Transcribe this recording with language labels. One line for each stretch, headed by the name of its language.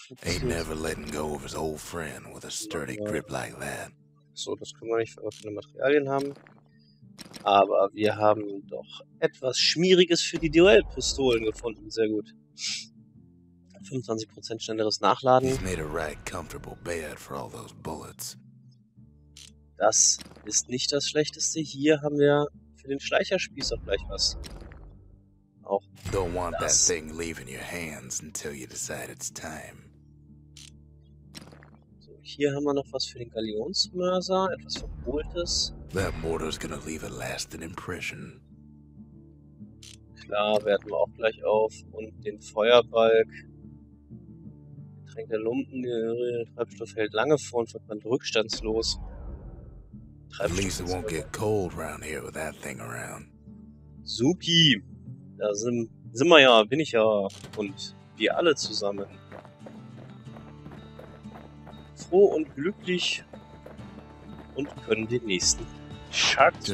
English: ain't never letting go of his old friend with a sturdy grip like that.
German: So, das können wir nicht für offene Materialien haben. Aber wir haben doch etwas Schmieriges für die Duellpistolen gefunden. Sehr gut. 25% schnelleres Nachladen.
English: He's made a right comfortable bed for all those bullets.
German: Das ist nicht das Schlechteste. Hier haben wir für den Schleicherspieß auch gleich was.
English: Don't want that thing leaving your hands until you decide it's time.
German: So, hier haben wir noch was für den Galionsmörser, etwas Verbohltes.
English: That mortar's gonna leave a lasting impression.
German: Klar, werten wir auch gleich auf. Und den Feuerbalg. Getränk der Lumpen, Treibstoff hält lange vor und verbrennt rückstandslos.
English: At least it won't get cold around here with that thing around.
German: Supi! Da sind wir ja, bin ich ja und wir alle zusammen. Froh und glücklich und können den nächsten Shard suchen.